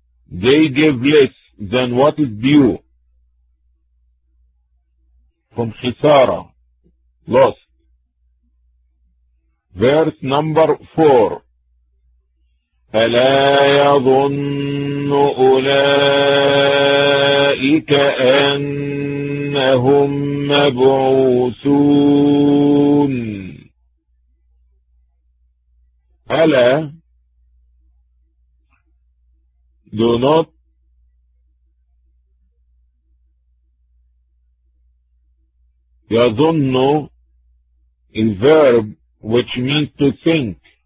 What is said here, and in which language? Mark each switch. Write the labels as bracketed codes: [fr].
[en] They gave less than what is due from خسارة loss. Verse number four. [ar] ألا يظن أولئك أنهم مبعوثون. [en] ألا do not يظن in verb which means to think.